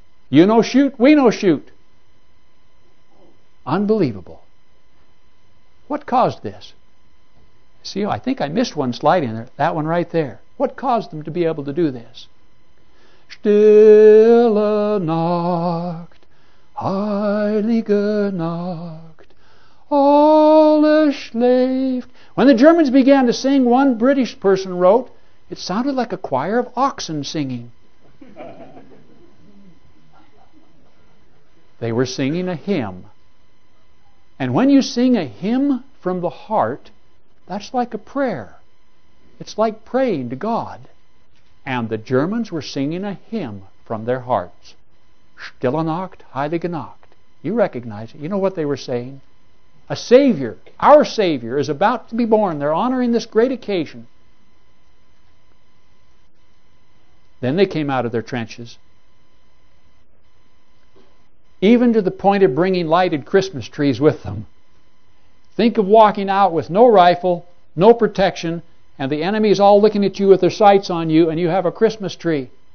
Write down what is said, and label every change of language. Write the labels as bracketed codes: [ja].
[en] You no shoot, we no shoot. Unbelievable. What caused this? See, I think I missed one slide in there, that one right there. What caused them to be able to do this? [de] Stille Nacht, Heilige Nacht, alles schläft. [en] When the Germans began to sing, one British person wrote, it sounded like a choir of oxen singing. They were singing a hymn. And when you sing a hymn from the heart, that's like a prayer. It's like praying to God. And the Germans were singing a hymn from their hearts. [de] Stille Nacht, Heilige Nacht. [en] You recognize it. You know what they were saying? A Savior, our Savior, is about to be born. They're honoring this great occasion. Then they came out of their trenches. Even to the point of bringing lighted Christmas trees with them. Think of walking out with no rifle, no protection, and the enemy is all looking at you with their sights on you, and you have a Christmas tree.